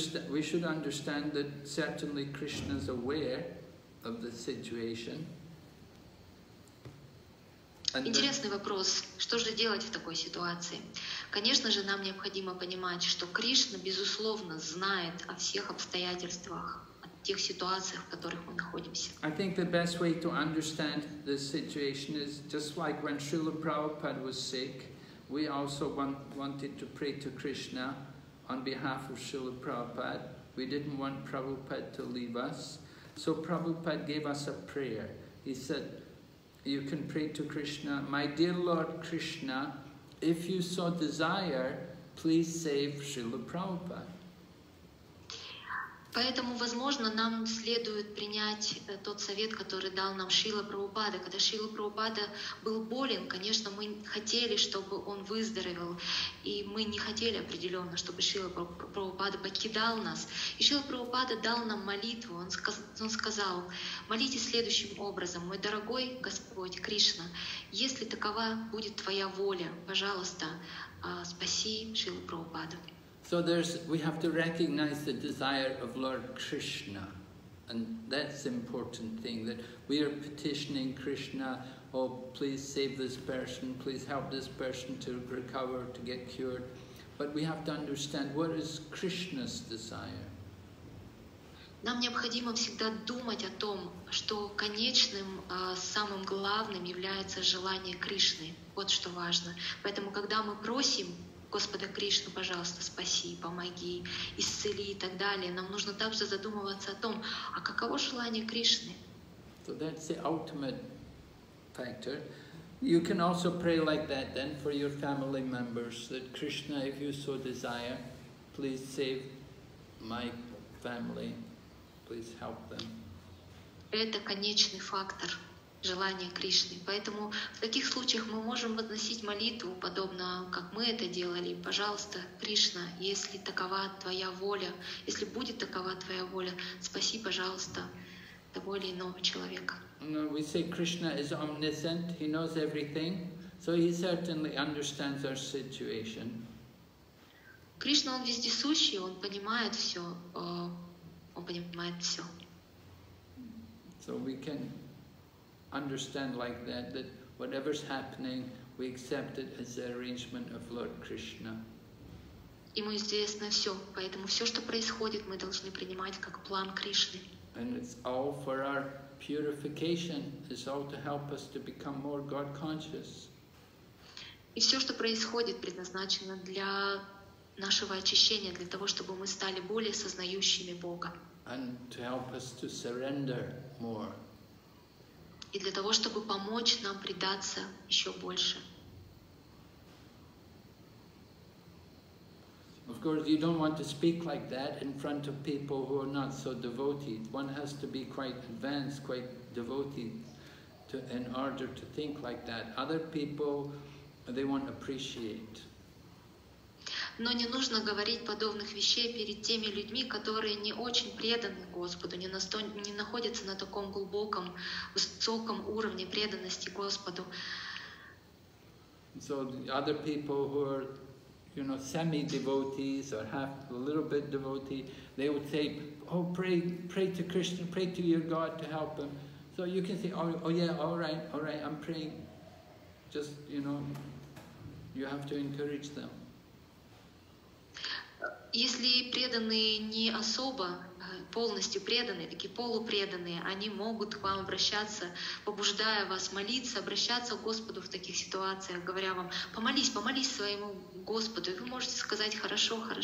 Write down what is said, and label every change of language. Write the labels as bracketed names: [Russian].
[English] We should understand that certainly Krishna is aware of the situation. [Russian] Интересный вопрос. Что же делать в такой ситуации? Конечно же, нам необходимо понимать, что Кришна, безусловно, знает о всех обстоятельствах, о тех ситуациях, в которых мы находимся. [English] I think the best way to understand the situation is just like when Srila Prabhupada was sick, we also wanted to pray to Krishna on behalf of Srila Prabhupada. We didn't want Prabhupada to leave us. So Prabhupada gave us a prayer. He said, you can pray to Krishna, my dear Lord Krishna, if you so desire, please save Srila Prabhupada. [Russian] Поэтому, возможно, нам следует принять тот совет, который дал нам Шрила Прабхупада. Когда Шрила Прабхупада был болен, конечно, мы хотели, чтобы он выздоровел, и мы не хотели определенно, чтобы Шрила Прабхупада покидал нас. И Шрила Прабхупада дал нам молитву, он сказал, молитесь следующим образом, мой дорогой Господь Кришна, если такова будет твоя воля, пожалуйста, спаси Шрилу Прабхупаду. [English] So we have to recognize the desire of Lord Krishna, and that's important thing, that we are petitioning Krishna, oh please save this person, please help this person to recover, to get cured, but we have to understand what is Krishna's desire. [Russian] Нам необходимо всегда думать о том, что конечным, самым главным является желание Кришны, вот что важно. Поэтому когда мы просим Господа Кришну, пожалуйста, спаси, помоги, исцели и так далее. Нам нужно также задумываться о том, а каково желание Кришны? [English] So that's the ultimate factor. You can also pray like that then for your family members, that Krishna, if you so desire, please save my family, please help them. [Russian] Это конечный фактор. Желание Кришны. Поэтому в таких случаях мы можем возносить молитву, подобно как мы это делали. Пожалуйста, Кришна, если такова твоя воля, если будет такова твоя воля, спаси, пожалуйста, того или иного человека. [English] No, we say Krishna is omniscient, he knows everything, so he certainly understands our situation. [Russian] Кришна, он вездесущий, он понимает все. Он понимает все. [English] So we can understand like that, that whatever's happening, we accept it as the arrangement of Lord Krishna. [Russian] Ему известно все, поэтому все, что происходит, мы должны принимать как план Кришны. [English] And it's all for our purification. It's all to help us to become more God conscious. [Russian] И все, что происходит, предназначено для нашего очищения, для того, чтобы мы стали более сознающими Бога. [English] And to help us to surrender more. [Russian] И для того, чтобы помочь нам предаться еще больше. [English] Of course, you don't want to speak like that in front of people who are not so devoted. One has to be quite advanced, quite devoted, in order to think like that. Other people, they won't appreciate. [Russian] Но не нужно говорить подобных вещей перед теми людьми, которые не очень преданы Господу, не находятся на таком глубоком, высоком уровне преданности Господу. [English] So the other people who are, you know, semi-devotees or half a little bit devotee, they would say, oh, pray to Krishna, pray to your God to help him. So you can say, oh yeah, all right, I'm praying. Just, you know, you have to encourage them. [Russian] Если преданные не особо полностью преданные, такие полупреданные, они могут к вам обращаться, побуждая вас молиться, обращаться к Господу в таких ситуациях, говоря вам, помолись своему Господу, и вы можете сказать хорошо.